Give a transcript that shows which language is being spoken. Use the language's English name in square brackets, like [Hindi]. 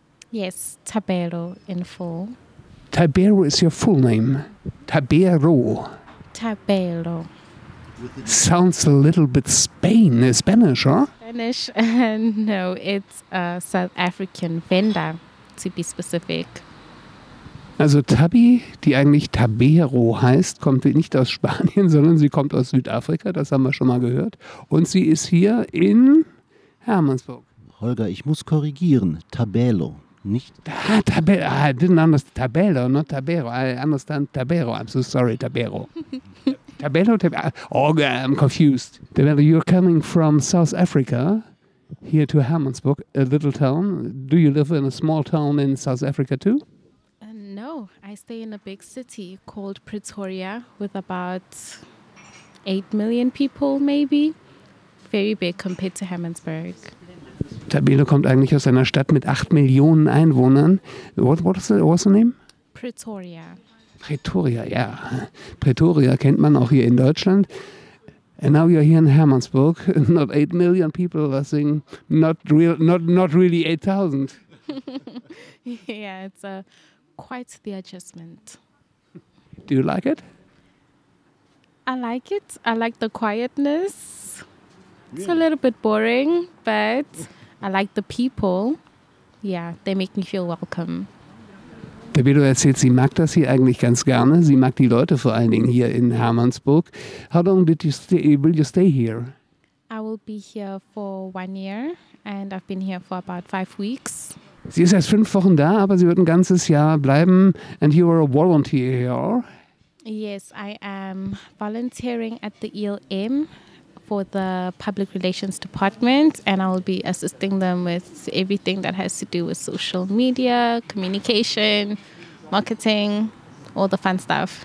[English] Yes, Tabero in full. Tabero is your full name. Tabero. Tabero. Sounds a little bit Spanish, huh? Spanish, no, it's a South African Venda, to be specific. [German] Also Tabby, die eigentlich Tabero heißt, kommt nicht aus Spanien, sondern sie kommt aus Südafrika, das haben wir schon mal gehört. Und sie ist hier in Hermannsburg. Holger, ich muss korrigieren, Tabelo, nicht... [English] Tabelo, I didn't understand Tabelo, not Tabero, I understand Tabero, I'm so sorry, Tabero. Tabelo, Tabelo, oh, I'm confused. Tabelo, you're coming from South Africa, here to Hermannsburg, a little town. Do you live in a small town in South Africa too? No, I stay in a big city called Pretoria with about 8 million people maybe. Very big compared to Hermannsburg. [German] Tabelo kommt eigentlich aus einer Stadt mit 8 Millionen Einwohnern. [English] What's the name? Pretoria. [German] Pretoria, yeah. Pretoria kennt man auch hier in Deutschland. [English] And now you're here in Hermannsburg. Not 8 million people, I think. Not really 8,000. Yeah, it's quite the adjustment. Do you like it? I like it. I like the quietness. It's a little bit boring, but I like the people. Yeah, they make me feel welcome. [German] Tabelo erzählt, sie mag das hier eigentlich ganz gerne. Sie mag die Leute vor allen Dingen hier in Hermannsburg. [English] How long will you stay here? I will be here for 1 year and I've been here for about 5 weeks. [German] Sie ist erst 5 Wochen da, aber sie wird ein ganzes Jahr bleiben. [English] And you are a volunteer here? Yes, I am volunteering at the ELM for the Public Relations Department, and I will be assisting them with everything that has to do with social media, communication, marketing, all the fun stuff.